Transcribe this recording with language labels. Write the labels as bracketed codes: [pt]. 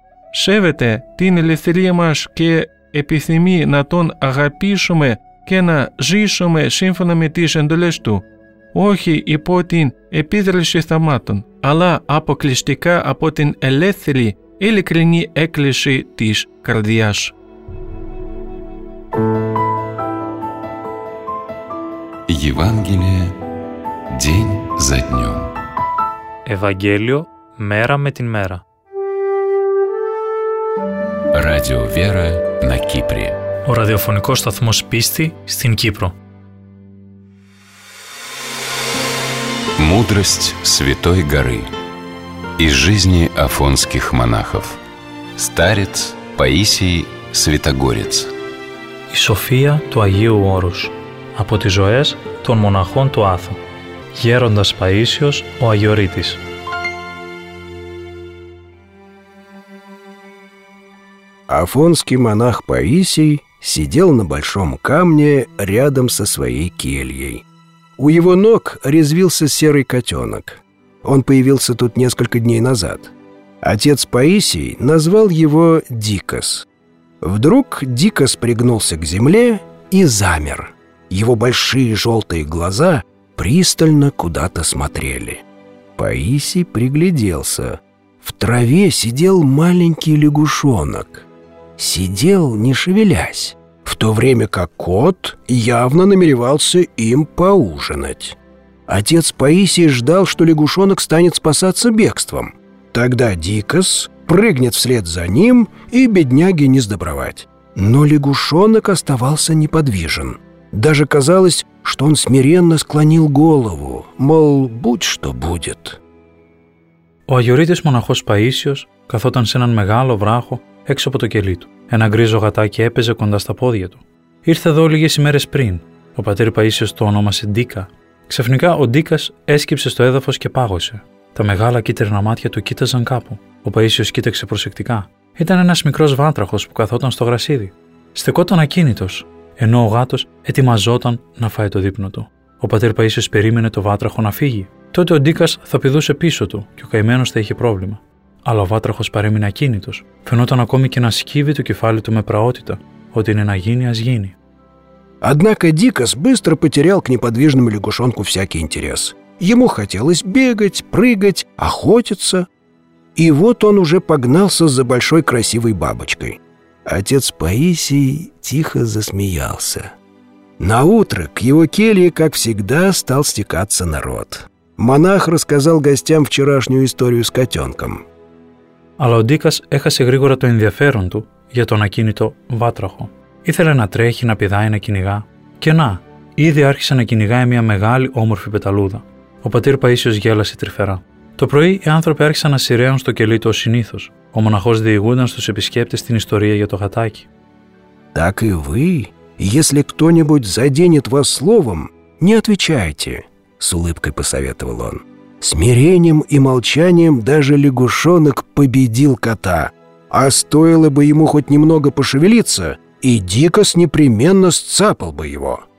[el] Σέβεται την ελευθερία μας και επιθυμεί να τον αγαπήσουμε και να ζήσουμε σύμφωνα με τις εντολές του, όχι υπό την επίδραση θαυμάτων, αλλά αποκλειστικά από την ελεύθερη, ειλικρινή έκκληση της καρδιάς. [ru] Евангелие день за днем. [el] Ευαγγέλιο μέρα με την μέρα. [ru] Radio Vera на Кипре. [el] Ο ραδιοφωνικός σταθμός πίστη στην Κύπρο. [ru] Мудрость Святой Горы из жизни афонских монахов. Старец Паисий Святогорец. [el] И София του Αγίου Όρους από τις ζωές των μοναχών του Άθου. Γέροντας Παΐσιος ο Αγιορείτης. [ru] Афонский монах Паисий сидел на большом камне рядом со своей кельей. У его ног резвился серый котенок. Он появился тут несколько дней назад. Отец Паисий назвал его Дикос. Вдруг Дикос пригнулся к земле и замер. Его большие желтые глаза пристально куда-то смотрели. Паисий пригляделся. В траве сидел маленький лягушонок. сидел, не шевелясь, в то время как кот явно намеревался им поужинать. Отец Паисий ждал, что лягушонок станет спасаться бегством. Тогда Дикас прыгнет вслед за ним и бедняге не сдобровать. Но лягушонок оставался неподвижен. Даже казалось, что он смиренно склонил голову, мол, будь что будет. [el] Ο αγιορείτης μοναχός Παΐσιος καθόταν σε έναν μεγάλο βράχο έξω από το κελί του. Ένα γκρίζο γατάκι έπαιζε κοντά στα πόδια του. Ήρθε εδώ λίγες ημέρες πριν. Ο πατήρ Παΐσιος το ονόμασε Ντίκα. Ξαφνικά ο Ντίκας έσκυψε στο έδαφος και πάγωσε. Τα μεγάλα κίτρινα μάτια του κοίταζαν κάπου. Ο Παΐσιος κοίταξε προσεκτικά. Ήταν ένας μικρός βάτραχος που καθόταν στο γρασίδι. Στεκόταν ακίνητος, ενώ ο γάτος ετοιμαζόταν να φάει το δείπνο του. Ο πατήρ Παΐσιος περίμενε το βάτραχο να φύγει. Τότε ο Ντίκας θα πηδούσε πίσω του και ο καημένος θα είχε πρόβλημα. Αλλά ο βάτραχος παρέμεινε ακίνητος. Φαινόταν ακόμη και να σκύβει το κεφάλι του με πραότητα. Ό,τι είναι να γίνει, ας γίνει. [ru] Однако Дикас быстро потерял к неподвижному лягушонку всякий интерес. Ему хотелось бегать, прыгать, охотиться. И вот он уже погнался за большой красивой бабочкой. Отец Паисий тихо засмеялся. Наутро к его келье, как всегда, стал стекаться народ. Монах рассказал гостям вчерашнюю историю с котенком. [el] Αλλά ο Ντίκας έχασε γρήγορα το ενδιαφέρον του για τον ακίνητο βάτραχο. Ήθελε να τρέχει, να πηδάει, να κυνηγά. Και να, ήδη άρχισε να κυνηγάει μια μεγάλη όμορφη πεταλούδα. Ο πατήρ Παΐσιος γέλασε τρυφερά. Το πρωί οι άνθρωποι άρχισαν να σειραίουν στο κελί του ως συνήθως. Ο μοναχός διηγούνταν στους επισκέπτες την ιστορία για το γατάκι. [ru] «Так и вы, если кто-нибудь заденет вас словом, не отвечайте», с улыбкой посоветовал он. «Смирением и молчанием даже лягушонок победил кота. А стоило бы ему хоть немного пошевелиться, и Дикас непременно сцапал бы его».